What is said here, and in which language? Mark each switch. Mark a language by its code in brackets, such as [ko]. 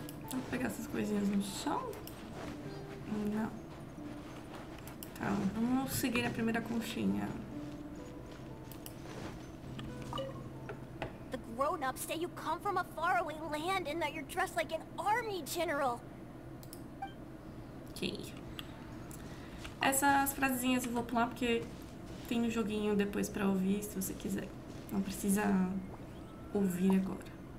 [pt] Vamos pegar essas coisinhas no chão? Não. Tá, vamos seguir a primeira conchinha. [en] Grown-ups say you come from a faraway land and that you're dressed like an army general. Okay. [pt] Essas frasezinhas eu vou pular porque tem um joguinho depois pra ouvir se você quiser. Não precisa ouvir agora.